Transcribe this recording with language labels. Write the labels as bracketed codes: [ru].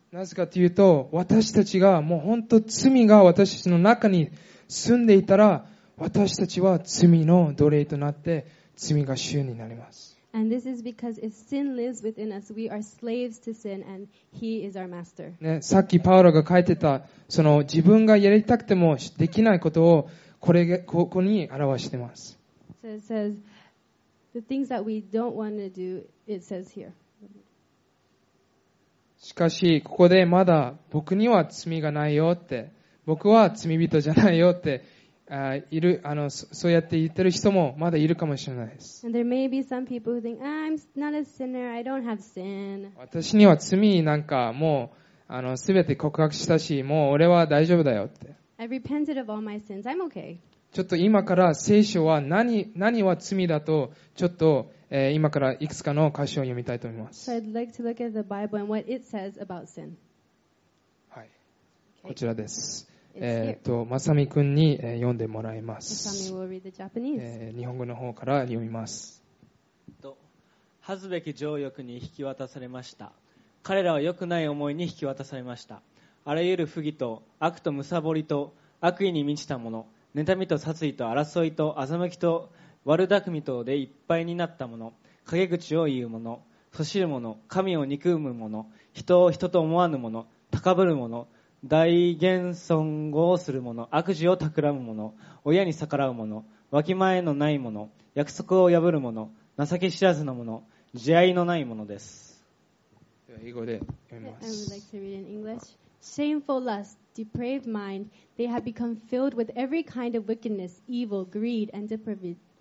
[ja] なぜかというと、私たちがもう本当罪が私たちの中に住んでいたら、私たちは罪の奴隷となって、罪が主になります。 [en] And this is because if sin lives within us, we are slaves to sin, and He is our master. [ja] ね、さっきパウロが書いてたその自分がやりたくてもできないことをここに表しています。 [en] So it says the things that we don't want to do, it says here. [ja] しかしここでまだ僕には罪がないよって、僕は罪人じゃないよって。いるそうやって言ってる人もまだいるかもしれないです。 [en] And there may be some people who think, I'm not a sinner, I don't have sin. [ja] 私には罪なんかもう全て告白したし、もう俺は大丈夫だよって。 [en] I've repented of all my sins, I'm okay. [ja] ちょっと今から聖書は 何は罪だと、ちょっと、今からいくつかの箇所を読みたいと思います。 [en] So I'd like to look at the Bible and what it says about sin. [ja] はい。こちらです。まさみくんに読んでもらいます。日本語の方から読みます。恥ずべき情欲に引き渡されました。彼らは良くない思いに引き渡されました。あらゆる不義と悪と貪りと悪意に満ちたもの、妬みと殺意と争いと欺きと悪巧みとでいっぱいになったもの、陰口を言うもの、そしるもの、神を憎むもの、人を人と思わぬもの、高ぶるもの、大言尊語をする者、悪事を企む者、親に逆らう者、わきまえのない者、約束を破る者、情け知らずの者、慈愛のない者です。では英語で読みます。 [en] I would like to read in English. Shameful lust, depraved mind, they have become filled with every kind of wickedness, evil, greed, and depravity.